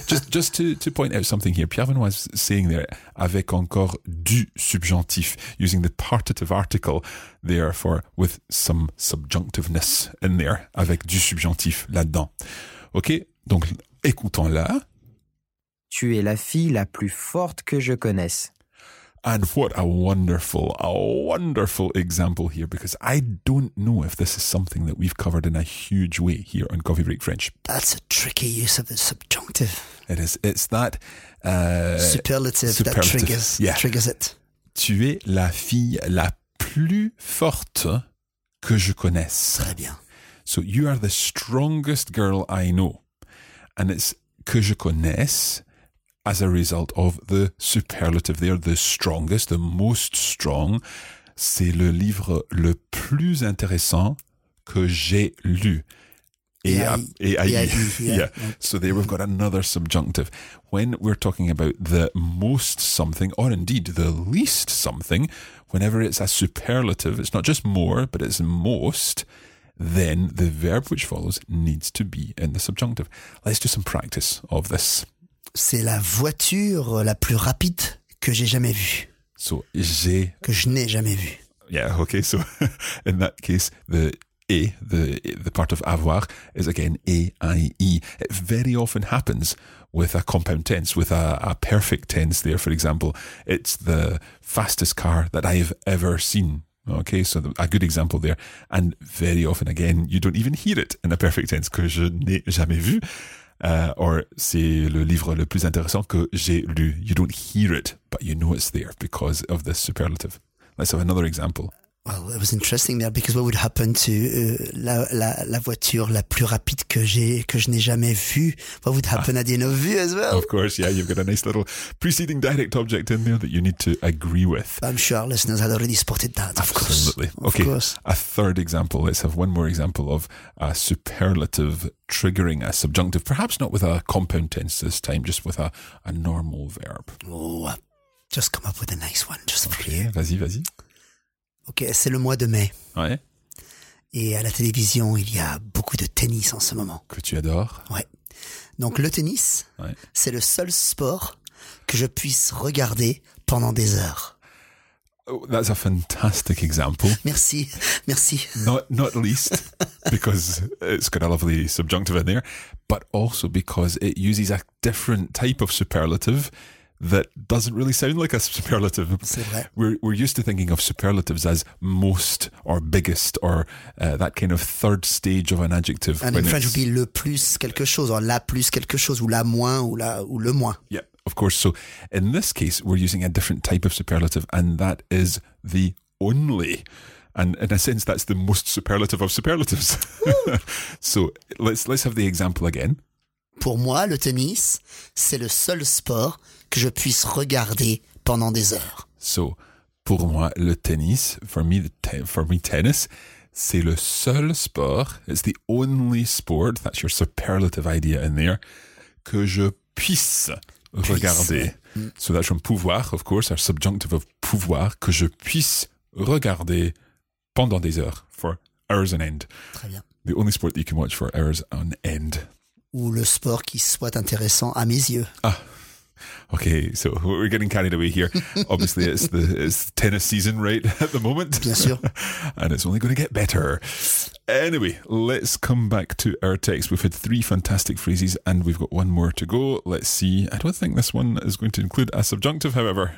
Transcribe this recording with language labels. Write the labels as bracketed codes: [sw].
[en] just to point out something here. Pierre Benoît was saying there, [fr] avec encore du subjonctif, [en] using the partitive article there for with some subjunctiveness in there, [fr] avec du subjonctif là-dedans. Okay, donc écoutons-la. Tu es la fille la plus forte que je connaisse. [en] And what a wonderful example here, because I don't know if this is something that we've covered in a huge way here on Coffee Break French. That's a tricky use of the subjunctive. It is. It's that superlative. That triggers it. [fr] Tu es la fille la plus forte que je connaisse. Très bien. [en] So you are the strongest girl I know. And it's [fr] que je connaisse. [en] As a result of the superlative, they are the strongest, the most strong. [fr] C'est le livre le plus intéressant que j'ai lu. [en] So there we've got another subjunctive. When we're talking about the most something, or indeed the least something, whenever it's a superlative, it's not just more, but it's most, then the verb which follows needs to be in the subjunctive. Let's do some practice of this. [fr] C'est la voiture la plus rapide que j'ai jamais vue. [en] So, j'ai... [fr] Que je n'ai jamais vue. [en] Yeah, okay, so in that case, the part of avoir is again A-I-E. It very often happens with a compound tense, with a perfect tense there, for example. It's the fastest car that I've ever seen. Okay, so a good example there. And very often, again, you don't even hear it in a perfect tense, [fr] que je n'ai jamais vue. Or c'est le livre le plus intéressant que j'ai lu. [en] You don't hear it, but you know it's there because of the superlative. Let's have another example. Well, it was interesting there because what would happen to [fr] la voiture la plus rapide que je n'ai jamais vue? [en] What would happen at the end of vue as well? Of course, yeah, you've got a nice little preceding direct object in there that you need to agree with. I'm sure our listeners had already spotted that. Absolutely. Okay. Of course. A third example. Let's have one more example of a superlative triggering a subjunctive, perhaps not with a compound tense this time, just with a normal verb. Oh, just come up with a nice one, just okay, for you. [fr] Vas-y. Ok, c'est le mois de mai. Ouais. Et à la télévision, il y a beaucoup de tennis en ce moment. Que tu adores. Ouais. Donc le tennis, ouais, c'est le seul sport que je puisse regarder pendant des heures. [en] Oh, that's a fantastic example. [fr] Merci. [en] Not least because it's got a lovely subjunctive in there, but also because it uses a different type of superlative that doesn't really sound like a superlative. [fr] C'est vrai. [en] We're used to thinking of superlatives as most or biggest or that kind of third stage of an adjective. And in French, it would be [fr] le plus quelque chose [en] or [fr] la plus quelque chose ou la moins ou le moins. [en] Yeah, of course. So in this case, we're using a different type of superlative and that is the only. And in a sense, that's the most superlative of superlatives. So let's have the example again. [fr] Pour moi, le tennis, c'est le seul sport que je puisse regarder pendant des heures. [en] So, [fr] pour moi, le tennis, [en] for me, tennis, [fr] c'est le seul sport, [en] it's the only sport, that's your superlative idea in there, [fr] que je puisse regarder. [en] So that's from pouvoir, of course, our subjunctive of pouvoir, [fr] que je puisse regarder pendant des heures, [en] for hours on end. [fr] Très bien. [en] The only sport that you can watch for hours on end. [fr] Ou le sport qui soit intéressant à mes yeux. [en] Ah, Okay, so we're getting carried away here. Obviously, it's the tennis season right at the moment. [fr] Bien sûr. [en] And it's only going to get better. Anyway, let's come back to our text. We've had three fantastic phrases and we've got one more to go. Let's see. I don't think this one is going to include a subjunctive, however.